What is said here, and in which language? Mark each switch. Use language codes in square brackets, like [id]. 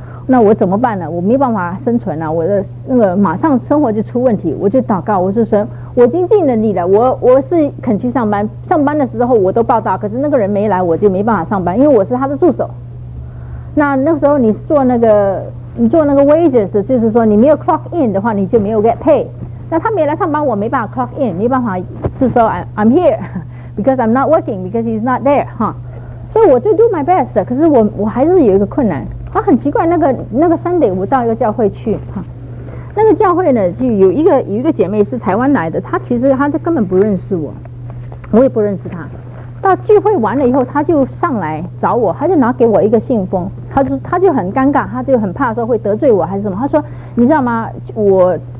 [zh] 那我怎么办呢？我没办法生存了、啊、我的那个马上生活就出问题。我就祷告，我说神，我已经尽能力了，我是肯去上班，上班的时候我都报道，可是那个人没来，我就没办法上班，因为我是他的助手。那时候你做那个 wages， 就是说你没有 clock in 的话你就没有 get paid。那他没来上班，我没办法 clock in， 没办法是说 [en] I'm here because I'm not working because he's not there、 [zh] huh? 所以我就 [en] do my best， [zh] 可是我还是有一个困难。啊、很奇怪，那个 Sunday 我到一个教会去、啊、那个教会呢就有一个姐妹是台湾来的，她根本不认识我，我也不认识她。到聚会完了以后她就上来找我，她就拿给我一个信封，她就很尴尬，她就很怕说会得罪我还是什么。她说你知道吗，我